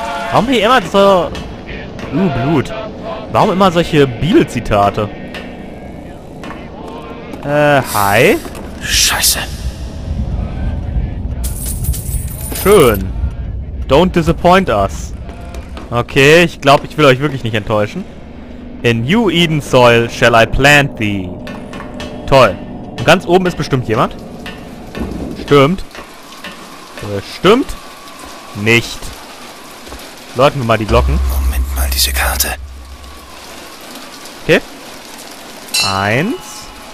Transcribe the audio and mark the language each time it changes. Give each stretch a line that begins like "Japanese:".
German: Warum hier immer so... Blut. Warum immer solche Beatles-Zitate? Hi? Scheiße. Schön.
English: Don't disappoint us.
German: Okay, ich glaube, ich will euch wirklich nicht enttäuschen.
English: In New Eden Soil shall I plant thee.
German: Toll. Und ganz oben ist bestimmt jemand. Stimmt. Bestimmt. Nicht. Läuten wir mal die Glocken. Moment mal, diese Karte. Okay. Eins.